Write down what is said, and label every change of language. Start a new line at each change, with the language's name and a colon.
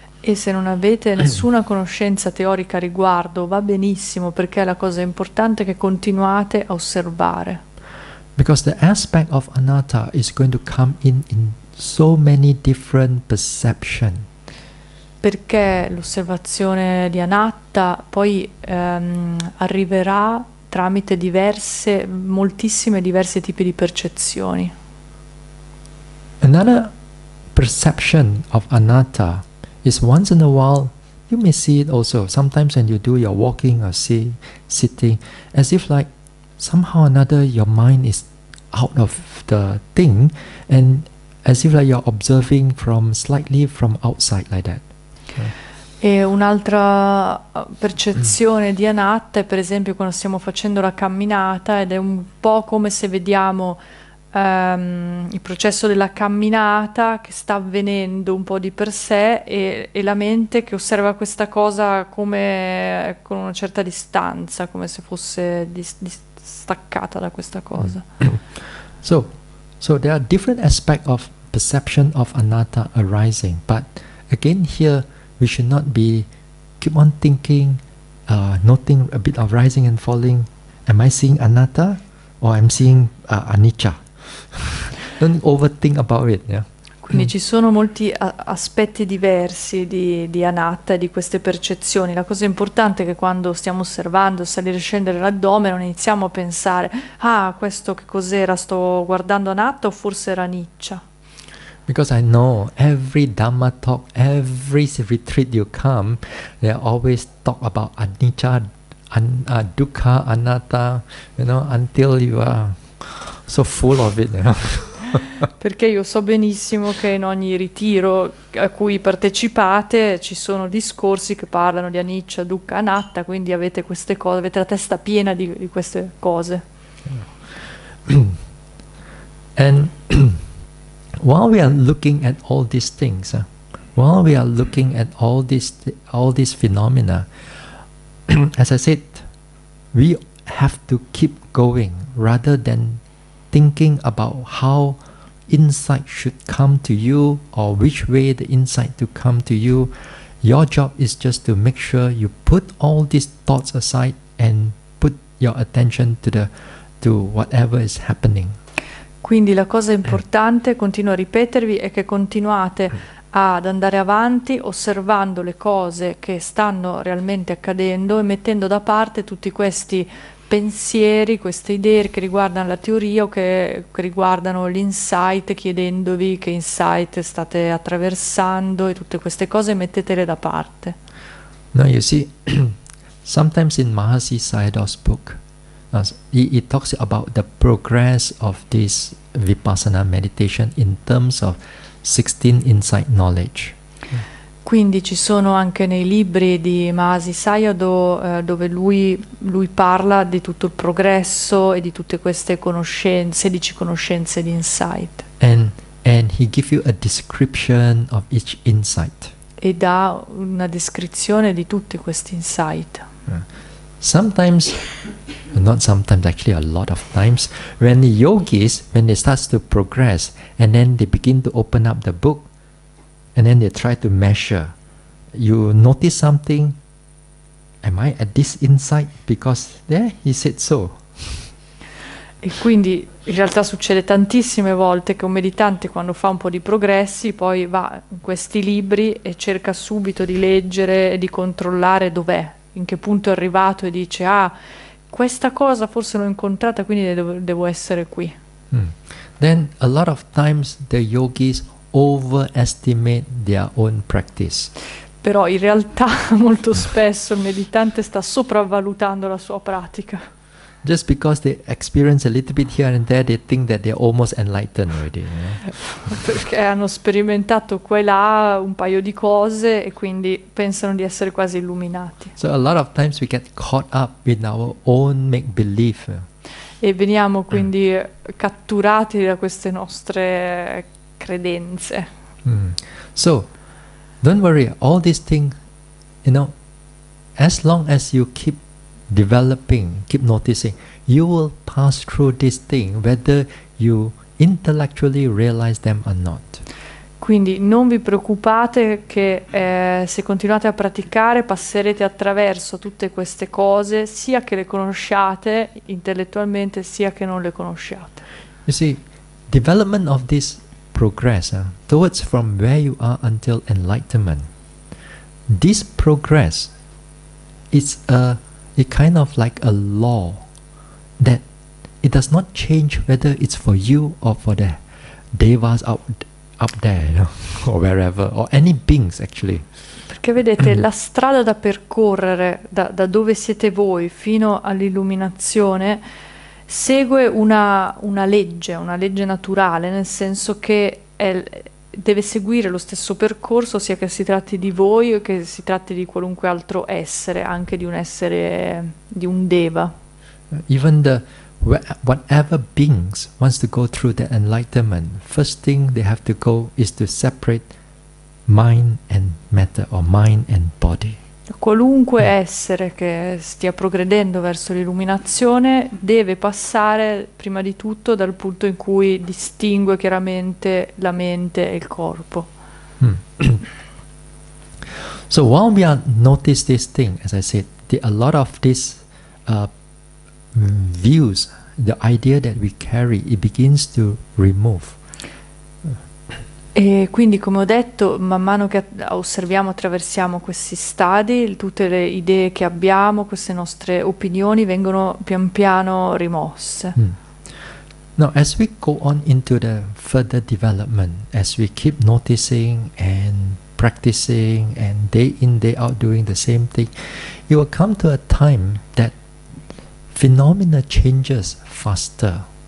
Italian: E se non avete nessuna conoscenza teorica a riguardo, va benissimo, perché la cosa importante è che continuate a osservare.
English: Because the aspect of anatta is going to come in so many different perceptions.
Italian: Perché l'osservazione di anatta poi arriverà tramite moltissime diverse tipi di percezioni.
English: Another perception of anatta is once in a while you may see it also sometimes when you do your walking or sitting, as if like somehow or another your mind is out of the thing, and as if like you're observing from slightly from outside like that.
Italian: E un'altra percezione di anatta è, per esempio, quando stiamo facendo la camminata, ed è un po' come se vediamo il processo della camminata che sta avvenendo un po' di per sé, e la mente che osserva questa cosa come con una certa distanza, come se fosse distaccata da questa cosa.
English: So there are different aspects of perception of anatta arising, but again here we should not be keep on thinking, noting a bit of rising and falling. Am I seeing anatta or I'm seeing anicca? Don't overthink about it, yeah.
Italian: Quindi ci sono molti aspetti diversi di anatta e di queste percezioni. La cosa importante è che quando stiamo osservando salire e scendere l'addome non iniziamo a pensare: ah, questo che cos'era? Sto guardando anatta o forse era anicca?
English: Because I know every Dhamma talk, every retreat you come, they always talk about anicca, dukkha, anatta, you know, until you are so full of it. You know?
Italian: Perché io so benissimo che in ogni ritiro a cui partecipate ci sono discorsi che parlano di anicca, dukkha, anatta, quindi avete queste cose, avete la testa piena di queste cose.
English: And while we are looking at all these things, while we are looking at all these phenomena, as I said, we have to keep going rather than thinking about how insight should come to you or which way the insight to come to you. Your job is just to make sure you put all these thoughts aside and put your attention to whatever is happening.
Italian: Quindi la cosa importante, continuo a ripetervi, è che continuate ad andare avanti osservando le cose che stanno realmente accadendo e mettendo da parte tutti questi pensieri, queste idee che riguardano la teoria o che riguardano l'insight, chiedendovi che insight state attraversando e tutte queste cose, mettetele da parte.
English: Now you see, sometimes in Mahasi Sayadaw's book, he talks about the progress of this Vipassana meditation in terms of 16 insight knowledge.
Italian: Quindi ci sono anche nei libri di Mahasi Sayadaw dove lui parla di tutto il progresso e di tutte queste conoscenze, 16 conoscenze di insight.
English: And he gives you a description of each insight.
Italian: e dà una descrizione di tutti questi insight.
English: Sometimes, not sometimes, actually a lot of times, when the yogis, when they start to progress, and then they begin to open up the book, and then they try to measure, you notice something, am I at this insight? Because there he said so.
Italian: E quindi in realtà succede tantissime volte che un meditante, quando fa un po' di progressi, poi va in questi libri e cerca subito di leggere e di controllare dov'è, in che punto è arrivato, e dice, ah, questa cosa forse l'ho incontrata, quindi devo essere qui.
English: Then a lot of times the yogis overestimate their own practice.
Italian: Però in realtà molto spesso il meditante sta sopravvalutando la sua pratica.
English: Just because they experience a little bit here and there, they think that they're almost enlightened already. You know?
Italian: Perché hanno sperimentato qua e là un paio di cose e quindi pensano di essere quasi illuminati.
English: So a lot of times we get caught up in our own make-belief.
Italian: E veniamo quindi catturati da queste nostre credenze.
English: So, don't worry, all these things, you know, as long as you keep developing, keep noticing, you will pass through this thing whether you intellectually realize them or not.
Italian: Quindi non vi preoccupate che se continuate a praticare passerete attraverso tutte queste cose, sia che le conosciate intellettualmente, sia che non le conosciate.
English: You see, development of this progress towards from where you are until enlightenment, this progress is it's kind of like a law that it does not change whether it's for you or for the devas up there, you know, or wherever, or any beings actually.
Italian: Perché vedete, la strada da percorrere da dove siete voi fino all'illuminazione segue una legge naturale, nel senso che deve seguire lo stesso percorso, sia che si tratti di voi o che si tratti di qualunque altro essere, anche di un essere, di un deva.
English: Even the whatever beings wants to go through the enlightenment, first thing they have to go is to separate mind and matter, or mind and body.
Italian: Qualunque essere che stia progredendo verso l'illuminazione deve passare prima di tutto dal punto in cui distingue chiaramente la mente e il corpo.
English: So while we are notice this thing, as I said, a lot of these views, the idea that we carry, it begins to remove.
Italian: E quindi, come ho detto, man mano che osserviamo, attraversiamo questi stadi, tutte le idee che abbiamo, queste nostre opinioni vengono pian piano rimosse.
English: Now, as we go on into the further development, as we keep noticing and practicing and day in, day out doing the same thing, you will come to a time that phenomena changes faster.